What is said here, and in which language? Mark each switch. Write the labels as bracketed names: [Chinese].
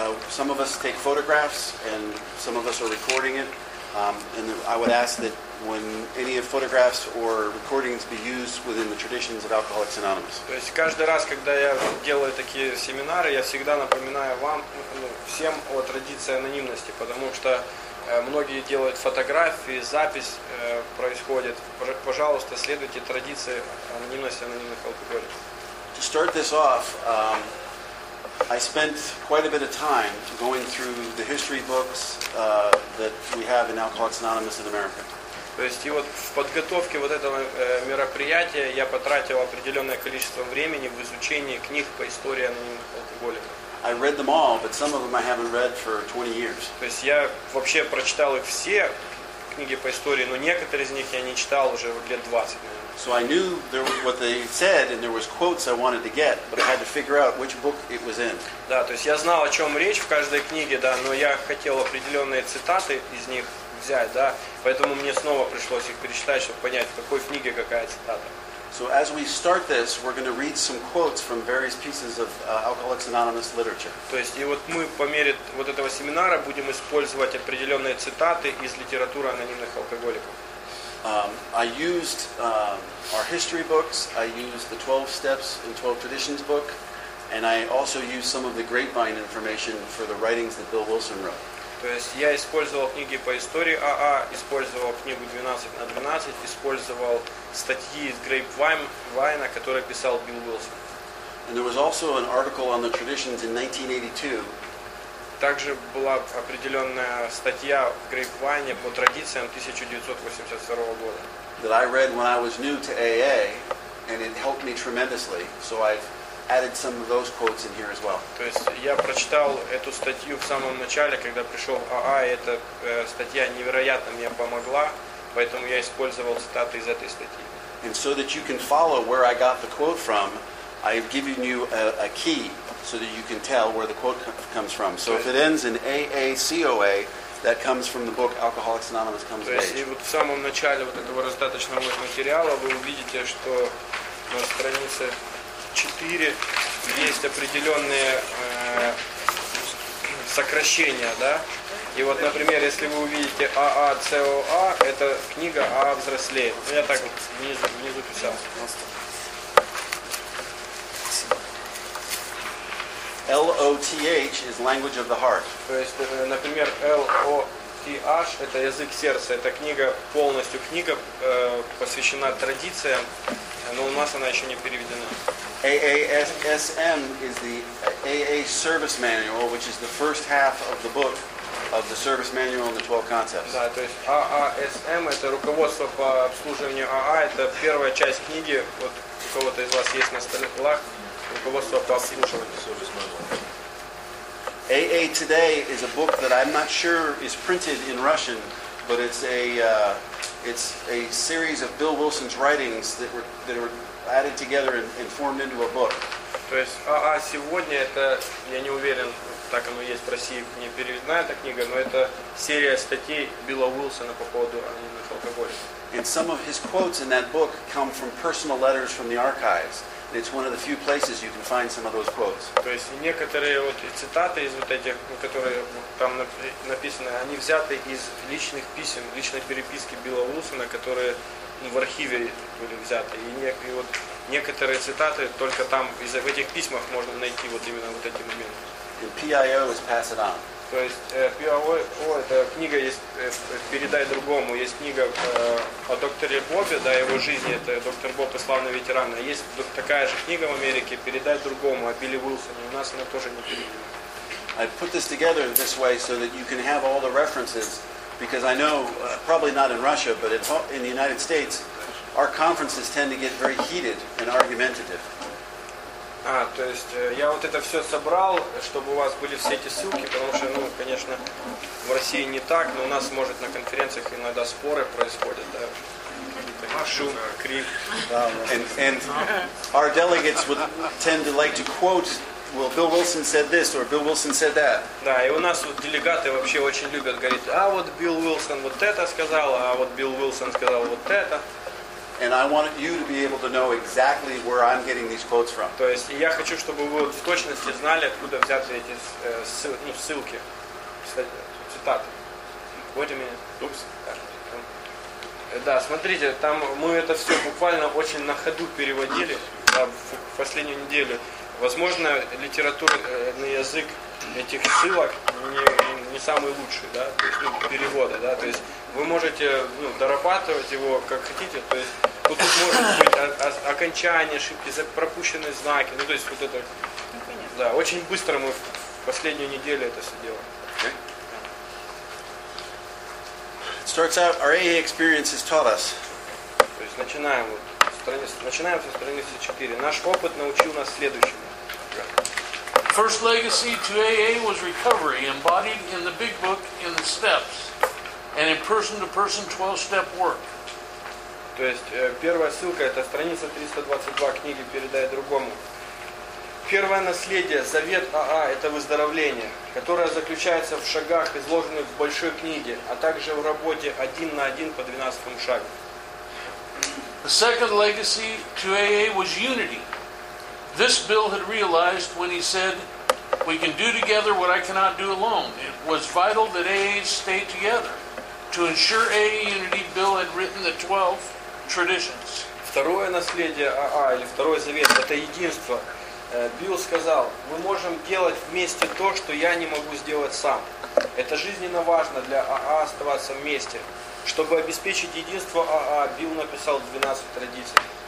[English] Some of us take photographs, and some of us are recording it. And I would ask that when any of photographs or recordings be used within the traditions of Alcoholics Anonymous. [Russian] То есть каждый раз, когда я делаю такие семинары, я всегда напоминаю вам, всем о традиции анонимности, потому что многие делают фотографии, запись происходит. Пожалуйста, следуйте традиции анонимности анонимных алкоголиков. [English] To start this off, I spent quite a bit of time going through the history books that we have in Alcoholics Anonymous in America. [Russian] То есть и вот в подготовке вот этого мероприятия я потратил определенное количество времени в изучении книг по истории анонимных алкоголиков. [English] I read them all, but some of them I haven't read for 20 years. [Russian] То есть я вообще прочитал их все книги по истории, но некоторые из них я не читал уже лет 20. [English] So I knew there was what they said, and there was quotes I wanted to get, but I had to figure out which book it was in. [Russian] Да, то есть я знал, о чем речь в каждой книге, да, но я хотел определенные цитаты из них взять, да, поэтому мне снова пришлось их перечитать, чтобы понять, в какой книге какая цитата. [English] So as we start this, we're going to read some quotes from various pieces of Alcoholics Anonymous literature. [Russian] То есть и вот мы по мере вот этого семинара будем использовать определенные цитаты из литературы анонимных алкоголиков. [English] I used our history books. I used the 12 Steps and 12 Traditions book. And I also used some of the grapevine information for the writings that Bill Wilson wrote. [Russian] То есть я использовал книги по истории АА, использовал книгу 12 на 12, использовал статьи из Грейпвайна, которые писал Билл Уилсон. [English] And there was also an article on the traditions in 1982. [Russian] Также была определенная статья в Грейпвайне по традициям 1982 года. [English] That I read when I was new to AA, and it helped me tremendously, so I've added some of those quotes in here as well. [Russian] То есть я прочитал эту статью в самом начале, когда пришел АА, и эта статья невероятно мне помогла, поэтому я использовал цитаты из этой статьи. [English] And so that you can follow where I got the quote from, I've given you a key so that you can tell where the quote comes from. So if it ends in AACOA, that comes from the book Alcoholics Anonymous Comes of Age. [Russian] То есть и вот в самом начале вот этого раздаточного материала вы увидите, что на странице 4 есть определенные сокращения, да? И вот, например, если вы увидите ААЦОА, это книга АА взрослеет. Ну, я так вот внизу писал. [English] LOTH is language of the heart. [Russian] То есть, например, LOTH это язык сердца. Это книга, полностью книга, посвящена традициям, но у нас она еще не переведена. [English] AASM is the AA service manual, which is the first half of the book of the service manual and the 12 concepts. [Russian] Да, то есть AASM это руководство по обслуживанию АА, это первая часть книги. Вот у кого-то из вас есть на столах руководство по обслуживанию service manual. [English] AA Today is a book that I'm not sure is printed in Russian, but it's a series of Bill Wilson's writings that were added together and formed into a book. [Russian] То есть АА сегодня это, я не уверен, так оно есть в России, не переведена эта книга, но это серия статей Билла Уилсона по поводу алкоголизма. [English] And some of his quotes in that book come from personal letters from the archives. And it's one of the few places you can find some of those quotes. [Russian] То есть некоторые вот цитаты из вот этих, которые там написаны, они взяты из личных писем, личной переписки Билла Уилсона, которые в архиве были взяты. И вот некоторые цитаты только там, в этих письмах можно найти вот именно вот эти моменты. And PIO is pass it on. То есть PIO, это книга есть «Передай другому». Есть книга о докторе Бобе, да, его жизни, это доктор Боб и славный ветеран. А есть такая же книга в Америке «Передай другому» о Билли Уилсоне. У нас она тоже не переведена. [English] I put this together in this way so that you can have all the references. Because I know, probably not in Russia, but in the United States, our conferences tend to get very heated and argumentative. [Russian] То есть я вот это все собрал, чтобы у вас были все эти ссылки, потому что, ну, конечно, в России не так, но у нас, может, на конференциях иногда споры происходят, да. Шум, крик. [English] And our delegates would tend to like to quote. Well, Bill Wilson said this, or Bill Wilson said that. [Russian] Да, и у нас вот делегаты вообще очень любят говорить, а вот Билл Уилсон вот это сказал, а вот Билл Уилсон сказал вот это. [English] And I want you to be able to know exactly where I'm getting these quotes from. [Russian] То есть я хочу, чтобы вы в точности знали, откуда взяты эти ссылки, цитаты. Вот у меня. [English] Oops. [Russian] Да, смотрите, там мы это все буквально очень на ходу переводили в последнюю неделю. Возможно, литературный язык этих ссылок не самый лучший, да, то есть, ну, перевода, да, то есть вы можете, ну, дорабатывать его как хотите, то есть тут может быть окончание, ошибки, пропущенные знаки, ну, то есть вот это, да, очень быстро мы в последнюю неделю это все делаем. [English] Okay. Starts out, our AA experience has taught us. [Russian] То есть начинаем вот, начинаем со страницы 4. Наш опыт научил нас следующему. [English] First legacy to AA was recovery, embodied in the big book in the steps, and in person-to-person 12-step work. [Russian] То есть первая ссылка это страница 322 книги «Передай другому». Первое наследие, завет АА – это выздоровление, которое заключается в шагах, изложенных в большой книге, а также в работе один на один по 12-му шагу. [English] The second legacy to AA was unity. This Bill had realized when he said, we can do together what I cannot do alone. It was vital that AAs stay together. To ensure AA unity, Bill had written the 12 traditions. [Russian] Второе наследие АА, или второй завет, это единство. Билл сказал, мы можем делать вместе то, что я не могу сделать сам. Это жизненно важно для АА оставаться вместе. Чтобы обеспечить единство АА, Билл написал 12 традиций.